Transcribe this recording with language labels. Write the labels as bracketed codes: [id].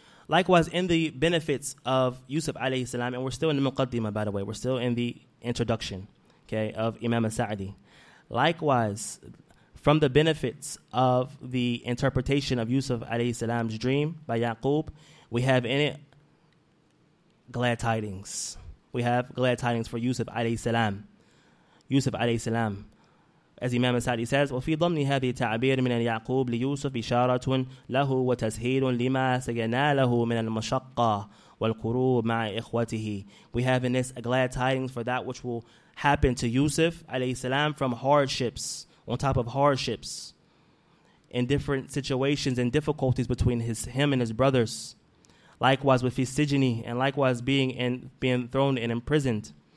[en] Likewise, in the benefits of Yusuf alayhi salam, and we're still in the Muqaddimah, by the way, we're still in the introduction, okay, of Imam al-Sa'di. Likewise, from the benefits of the interpretation of Yusuf alayhi salam's dream by Yaqub, we have in it glad tidings. We have glad tidings for Yusuf alayhi salam. Yusuf alayhi salam, as Imam al-Sa'di says, [ar] وَفِي ضَمْنِ هَذِي تَعْبِيرٍ مِنَ الْيَعْقُوبِ لِيُوسُفِ إِشَارَةٌ لَهُ وَتَسْهِيلٌ لِمَا سَجَنَا لَهُ مِنَ الْمَشَقَّةِ وَالْقُرُوبِ مَعَ إِخْوَتِهِ. [en] We have in this a glad tidings for that which will happen to Yusuf alayhi salam from hardships, on top of hardships, in different situations and difficulties between him and his brothers. Likewise with his sijini, and likewise being thrown and imprisoned.